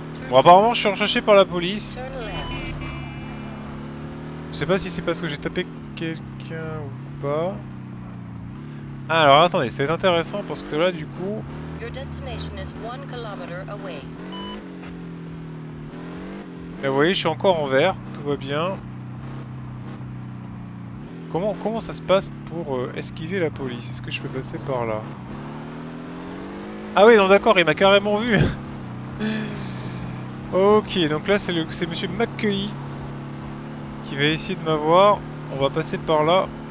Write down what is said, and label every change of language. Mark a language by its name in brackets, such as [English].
[French] Bon, apparemment, je suis recherché par la police. Je sais pas si c'est parce que j'ai tapé quelqu'un ou pas. Ah, alors attendez, c'est intéressant parce que là du coup. [English] Your destination is 1 kilometer away. [French] Et vous voyez, je suis encore en vert, tout va bien. Comment ça se passe pour esquiver la police? Est-ce que je peux passer par là? Ah oui, non d'accord, il m'a carrément vu. Ok, donc là c'est monsieur McCully. Qui va essayer de m'avoir, on va passer par là.